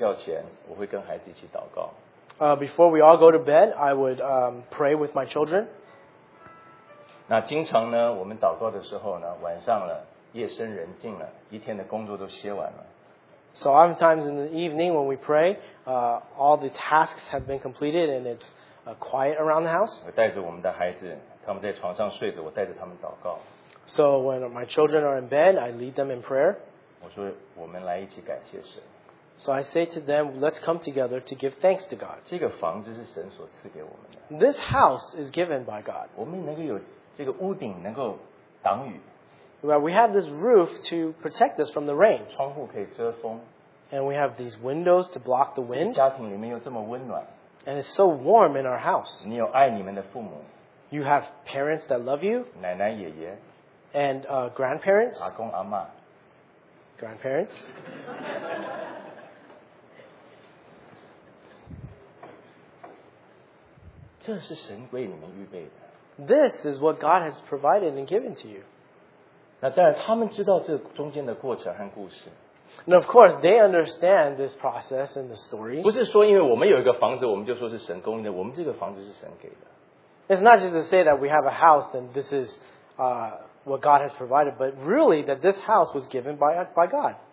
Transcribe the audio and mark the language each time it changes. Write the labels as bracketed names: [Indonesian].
[Chinese] 晚上睡觉前我会跟孩子一起祷告。 [English] Before we all go to bed, I would pray with my children. [Chinese] 那经常呢我们祷告的时候呢晚上了夜深人静了一天的工作都歇完了。 [English] So oftentimes in the evening when we pray, all the tasks have been completed and it's quiet around the house. [Chinese] 我带着我们的孩子,他们在床上睡着,我带着他们祷告。 [English] So when my children are in bed, I lead them in prayer. [Chinese] 我说,我们来一起感谢神。 [English] So I say to them, let's come together to give thanks to God. [Chinese] 这个房子是神所赐给我们的。 [English] This house is given by God. [Chinese] 我们能够有这个屋顶能够挡雨。 [English] Well, we have this roof to protect us from the rain. [Chinese] 窗户可以遮风, [English] and we have these windows to block the wind. [Chinese] 家庭里面又这么温暖, [English] and it's so warm in our house. [Chinese] 你有爱你们的父母, [English] you have parents that love you. [Chinese] 奶奶爷爷, [English] and grandparents. [Chinese] 阿公阿嬷, [English] grandparents. [Chinese] 这是神为你们预备的。 [English] This is what God has provided and given to you. [Chinese] 那当然，他们知道这中间的过程和故事。 [English] And of course, they understand this process and the story. [Chinese] 不是说因为我们有一个房子，我们就说是神供应的。我们这个房子是神给的。 [English] It's not just to say that we have a house and this is what God has provided, but really that this house was given by God.